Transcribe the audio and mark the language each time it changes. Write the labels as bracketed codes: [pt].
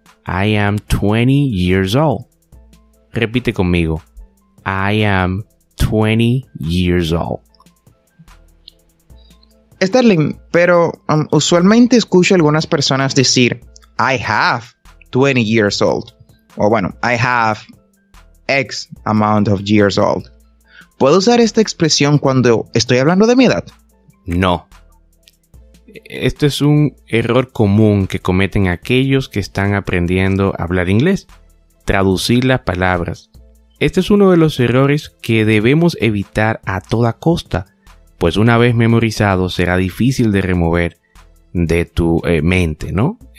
[en] I am 20 years old. [es] Repite conmigo. [en] I am 20 years old. [es] Sterling, pero usualmente escucho a algunas personas decir, [en] I have 20 years old. [es] O bueno, [en] I have X amount of years old. [es] ¿Puedo usar esta expresión cuando estoy hablando de mi edad? No. Este es un error común que cometen aquellos que están aprendiendo a hablar inglés. Traducir las palabras. Este es uno de los errores que debemos evitar a toda costa, pues una vez memorizado será difícil de remover de tu mente, ¿no?